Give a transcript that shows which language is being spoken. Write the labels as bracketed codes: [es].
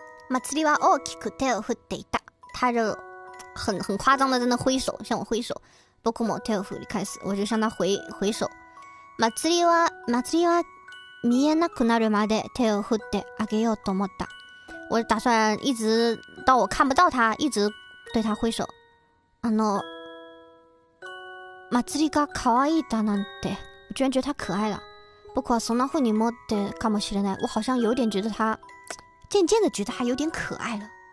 [ja] 祭りは大きく手を振っていた。 [zh] 他就很夸张的在那挥手，向我挥手。 [ja] 僕も手を振り返す。 [zh] 我就向他回手。 [ja] 祭りは見えなくなるまで手を振ってあげようと思った。 [zh] 我打算一直到我看不到他，一直对他挥手。 [ja] 祭りが可愛いだなんて， [zh] 我居然觉得他可爱了。不过 [ja] そんな風に思ってかもしれない。 [zh] 我好像有点觉得他，渐渐的觉得他有点可爱了。